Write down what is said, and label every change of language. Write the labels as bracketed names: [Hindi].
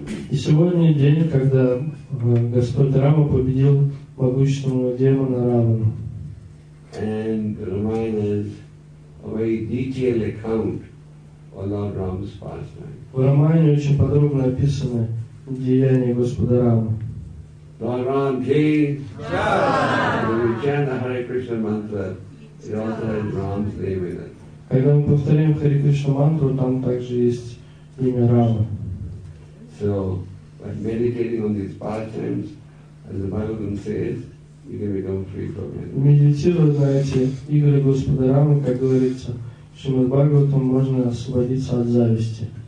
[Russian] И сегодня день, когда Господь Рама победил могущественного демона Равану. [English] And Ramayana is a very detailed account of Lord Ram's pastime. [Russian] В Рамайне очень подробно описаны деяния Господа Рамы. [English] Lord Ram Ji. When we chant the Hare Krishna mantra, it also has Ram's name in it. [Russian] Когда мы повторяем Хари Кришна мантру, там также есть имя Рама. [English] So, by meditating on these pastimes, as the Bhagavad Gita says, you can become free from it. [Russian] Медитируя на эти игры Господа Рамы, как говорится, Шримад Бхагаватам можно освободиться от зависти.